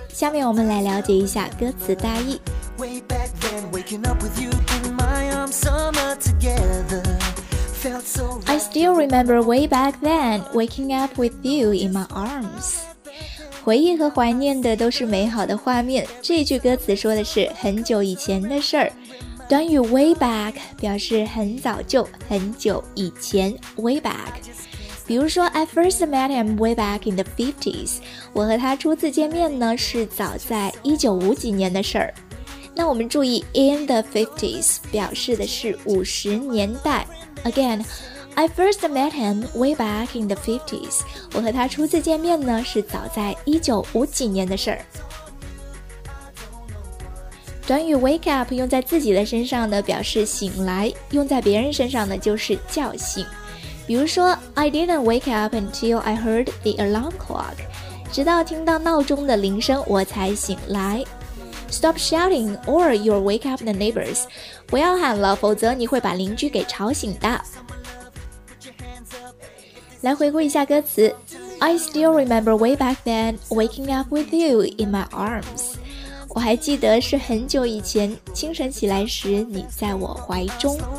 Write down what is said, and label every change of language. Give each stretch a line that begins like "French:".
Chinese: 下面我们来了解一下歌词大意。
English: Way back then, waking up with you in my arms, summer together. I still remember way back then, waking up with you in my arms.
Chinese: 回忆和怀念的都是美好的画面，这句歌词说的是很久以前的事儿。短语 way back 表示很早就，很久以前， way back。比如说
English: I first met him way back in the 50s,
Chinese: 我和他初次见面呢是早在1950几年的事儿。那我们注意 in the 50s 表示的是50年代。
English: Again, I first met him way back in the 50s.
Chinese: 我和他初次见面呢是早在1950几年的事儿。短语 wake up 用在自己的身上呢表示醒来，用在别人身上呢就是叫醒。比如说
English: I didn't wake up until I heard the alarm clock.
Chinese: 直到听到闹钟的铃声我才醒来。
English: Stop shouting or you'll wake up the neighbors.
Chinese: 不要喊了，否则你会把邻居给吵醒的。来回顾一下歌词。
English: I still remember way back then, waking up with you in my arms.
Chinese: 我还记得是很久以前，清晨起来时你在我怀中。